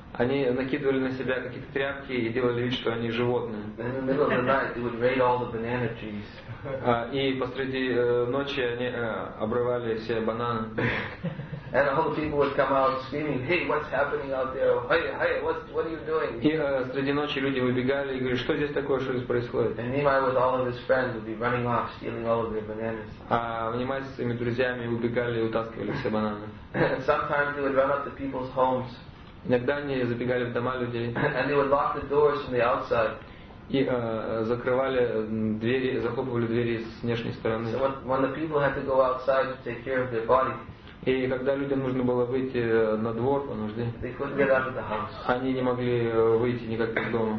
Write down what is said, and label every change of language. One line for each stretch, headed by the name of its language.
Russian: Они накидывали на себя какие-то тряпки и делали вид, что они животные.
English: In the middle of the night, they would raid all the banana trees.
Russian: И посреди ночи они обрывали все бананы.
English: And all the people would come out screaming, "Hey, what's happening out there? Hey, what are you doing?"
Russian: И среди ночи люди выбегали и говорили: «Что здесь такое, что здесь происходит?»
English: And Nimai with all of his friends would be running off, stealing all of their bananas.
Russian: А Нимай с своими друзьями убегали и утаскивали все бананы.
English: Sometimes they would run up to people's homes.
Russian: Иногда они забегали в дома людей.
English: And they would lock the doors from the outside.
Russian: И закрывали двери, захлопывали двери с внешней стороны.
English: So when the people had to go outside to take care of their body.
Russian: И когда людям нужно было выйти на двор по нужде, они не могли выйти никак из дома.